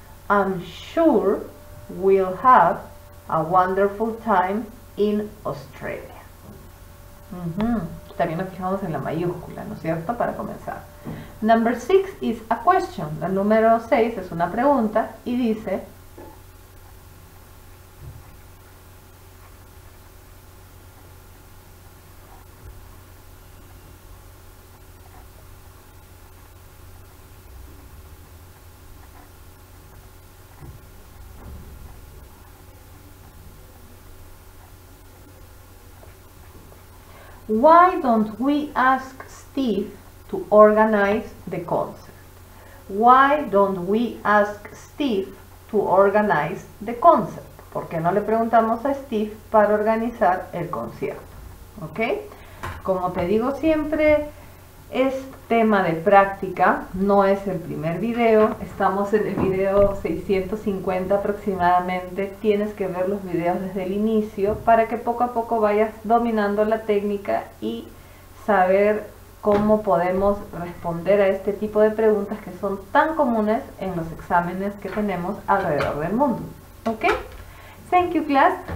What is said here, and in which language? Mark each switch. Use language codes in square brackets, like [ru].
[en] I'm sure we'll have a wonderful time in Australia. [es] También nos fijamos en la mayúscula, ¿no es cierto? Para comenzar. [en] Number six is a question. [es] La número 6 es una pregunta y dice, [en] why don't we ask Steve to organize the concert? Why don't we ask Steve to organize the concert? [es] ¿Por qué no le preguntamos a Steve para organizar el concierto? ¿Ok? Como te digo siempre, es tema de práctica, no es el primer video. Estamos en el video 650 aproximadamente. Tienes que ver los videos desde el inicio para que poco a poco vayas dominando la técnica y saber cómo podemos responder a este tipo de preguntas que son tan comunes en los exámenes que tenemos alrededor del mundo. ¿Ok? [en] Thank you, class.